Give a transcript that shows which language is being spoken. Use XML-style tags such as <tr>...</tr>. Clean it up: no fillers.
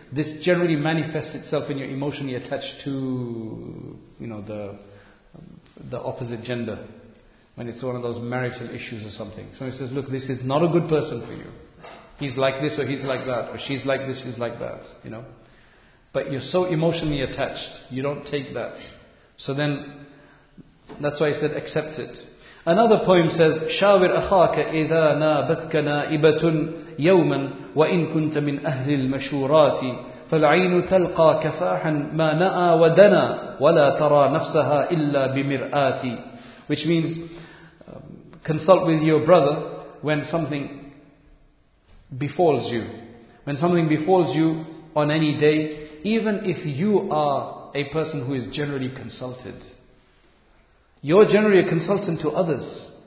<en>This generally manifests itself in your emotionally attached to, you know, the opposite gender, when it's one of those marital issues or something. Somebody says, look, this is not a good person for you. He's like this or he's like that, or she's like this, she's like that, you know. But you're so emotionally attached, you don't take that. So then, that's why I said accept it. Another poem says,</en> <ar>شَاوِرْ أَخَاكَ إِذَا نَابَتْكَ نَائِبَةٌ يَوْمًا وَإِنْ كُنْتَ مِنْ أَهْلِ الْمَشُورَاتِ فَالْعَيْنُ تَلْقَى كَفَاحًا مَا نَأَى وَدَنَى وَلَا تَرَى نَفْسَهَا إِلَّا بِمِرْآتِ.</ar> <en>Which means, consult with your brother when something befalls you. When something befalls you on any day, even if you are a person who is generally consulted, you're generally a consultant to others.</en>